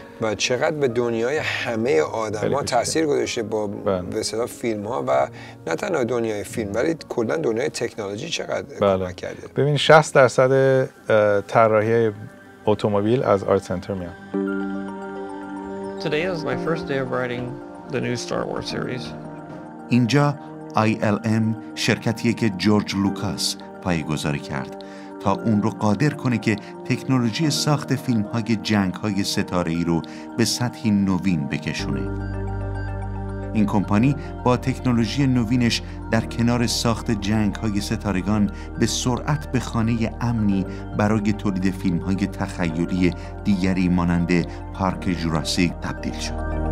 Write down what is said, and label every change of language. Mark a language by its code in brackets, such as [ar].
[fa] و چقدر به دنیای همه آدم ها تاثیر گذاشته با مثلا فیلم ها و نه تنها دنیای فیلم ولی کلا دنیای تکنولوژی چقدر کمک کرده. ببین 60% طراحی اتومبیل از آرت سنتر میاد. [en] Today is my first day of writing the new Star Wars series. [fa] اینجا ILM شرکتیه که جورج لوکاس پایه‌گذاری کرد تا اون رو قادر کنه که تکنولوژی ساخت فیلم‌های جنگ‌های ستاره‌ای رو به سطحی نوین بکشونه. این کمپانی با تکنولوژی نوینش در کنار ساخت جنگ‌های ستارگان به سرعت به خانه امنی برای تولید فیلم‌های تخیلی دیگری مانند پارک جوراسیک تبدیل شد.